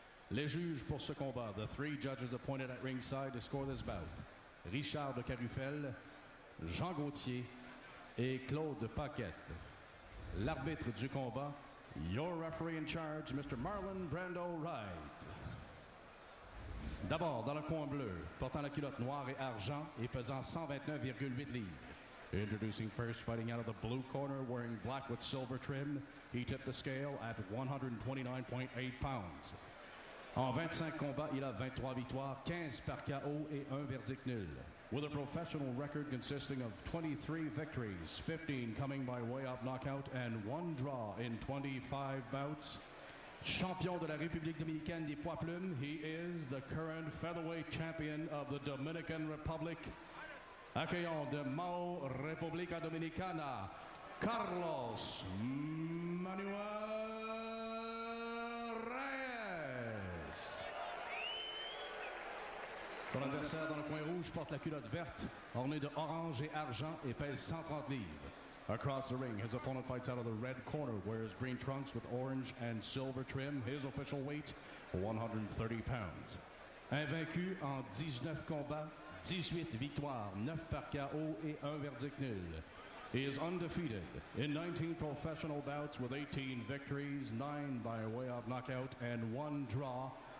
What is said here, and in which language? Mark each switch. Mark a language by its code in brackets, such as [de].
[fr] Les juges pour ce combat, [en] the three judges appointed at ringside to score this bout, [fr] Richard de Carufel, Jean Gauthier, et Claude Paquette. L'arbitre du combat, [en] your referee in charge, Mr. Marlon Brando Wright. [fr] D'abord, dans le coin bleu, portant la culotte noire et argent et pesant 129,8 livres. [en] Introducing first, fighting out of the blue corner, wearing black with silver trim, he tipped the scale at 129.8 pounds. [fr] En 25 combats, il a 23 victoires, 15 par KO et un verdict nul. [en] With a professional record consisting of 23 victories, 15 coming by way of knockout and one draw in 25 bouts, [fr] champion de la République Dominicaine des poids plumes, [en] he is the current featherweight champion of the Dominican Republic, [fr] accueillant de [en] Mao República Dominicana, Carlos Manuel Reyes. [fr] Son adversaire dans le coin rouge porte la culotte verte, ornée de orange et argent, et pèse 130 livres. [en] Across the ring, his opponent fights out of the red corner, wears green trunks with orange and silver trim. His official weight, 130 pounds. [fr] Invaincu en 19 combats, 18 victoires, 9 par KO et 1 verdict nul. [en] He is undefeated in 19 professional bouts with 18 victories, 9 by way of knockout and 1 draw.